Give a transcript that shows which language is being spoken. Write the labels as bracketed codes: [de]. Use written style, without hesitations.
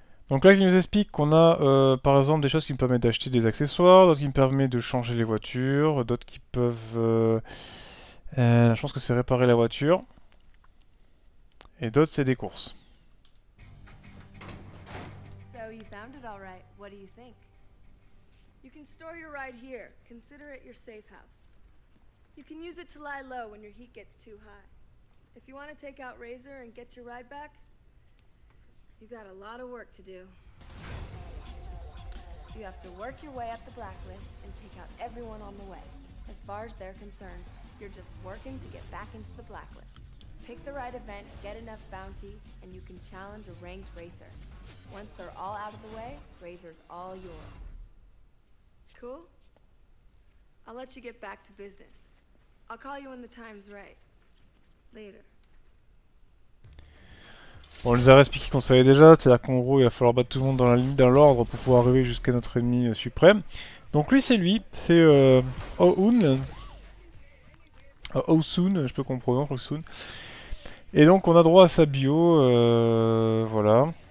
[fr] Donc là, il nous explique qu'on a par exemple des choses qui me permettent d'acheter des accessoires, d'autres qui me permettent de changer les voitures, d'autres qui peuvent... je pense que c'est réparer la voiture. Et d'autres, c'est des courses. [en] So you found it all right. What do you think? You can store your ride here. Consider it your safe house. You can use it to lie low when your heat gets too high. If you want to take out Razor and get your ride back, you got a lot of work to do. You have to work your way up the blacklist and take out everyone on the way. As far as they're concerned, you're just working to get back into the blacklist. Pick the right event, get enough bounty, and you can challenge a ranked racer. Once they're all out of the way, Razor's all yours. Cool? I'll let you get back to business. I'll call you when the time's right. Later. [fr] Bon, on les a expliqué qu'on savait déjà, c'est-à-dire qu'en gros il va falloir battre tout le monde dans la ligne dans l'ordre pour pouvoir arriver jusqu'à notre ennemi suprême. Donc lui, c'est Ohun. Ohsun, je peux comprendre, Ohsun. Et donc on a droit à sa bio, voilà.